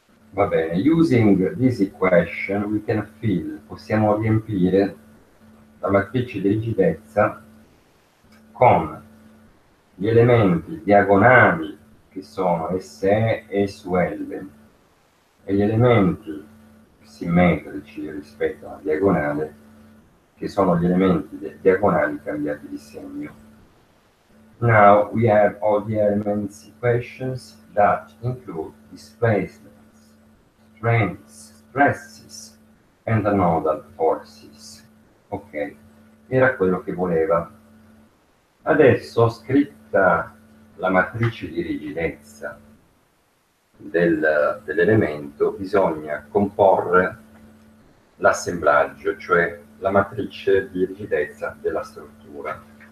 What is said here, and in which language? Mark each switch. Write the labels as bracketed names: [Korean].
[Italian] Va bene, [English] using this equation we can fill, [Italian] possiamo riempire la matrice di rigidezza con gli elementi diagonali che sono SE, E su L, e gli elementi simmetrici rispetto alla diagonale che sono gli elementi diagonali cambiati di segno. [English] Now we have all the elements equations that include displacement, strains, stresses, and nodal forces. [Italian] Ok, era quello che voleva. Adesso, scritta la matrice di rigidezza dell'elemento, bisogna comporre l'assemblaggio, cioè la matrice di rigidezza della struttura.